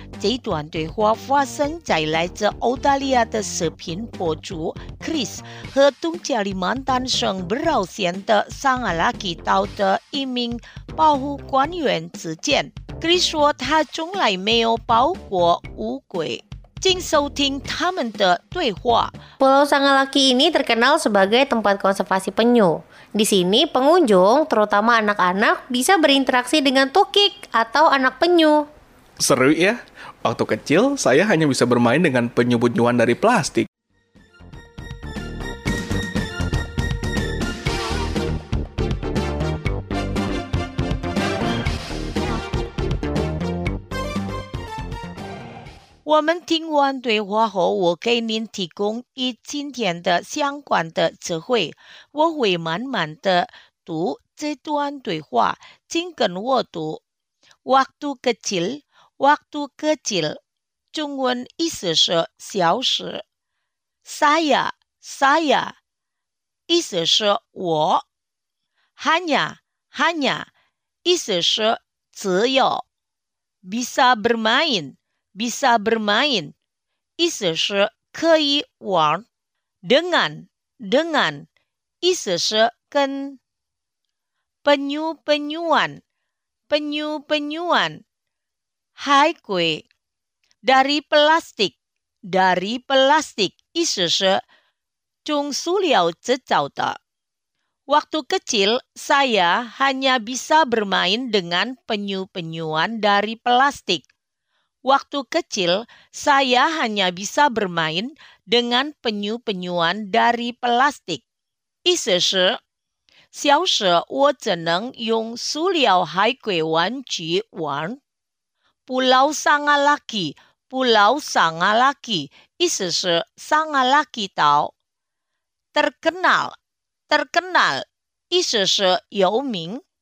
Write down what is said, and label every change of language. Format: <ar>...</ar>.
<zh>这段对话发生在来自澳大利亚的视频博主 Chris 和东加里曼丹省不饶县的桑阿拉基岛的一名保护官员之间。 Chris 说他从来没有抱过乌龟。请收听他们的对话。</zh> <id>Pulau Sangalaki ini terkenal sebagai tempat konservasi penyu. Di sini pengunjung, terutama anak-anak, bisa berinteraksi dengan tukik atau anak penyu. Seru ya. Waktu kecil, saya hanya bisa bermain dengan penyu-penyuan dari plastik.</id> <zh>我们听完对话后，我给您提供与今天的相关的词汇。我会慢慢的读这段对话，请跟我读。 Waktu kecil, waktu kecil， 中文意思是小时。 Saya, saya， 意思是我。 Hanya, hanya， 意思是只有。 Bisa bermain。 Bisa bermain, 意思是可以玩。 Dengan, 意思是跟。</zh> <id>Penyu-penyuan, 海龟。Dari plastik,</id> <zh>dari plastik, 意思是 从塑料制造的.</zh> <id>Waktu kecil, saya hanya bisa bermain dengan penyu-penyuan dari plastik. Waktu kecil, saya hanya bisa bermain dengan penyu-penyuan dari plastik.</id> <zh>意思是 小时我只能用塑料海龟玩具玩. Pulau Sangalaki, Pulau Sangalaki, 意思是 Sangalaki 岛. Terkenal, terkenal, 意思是 有名.</zh>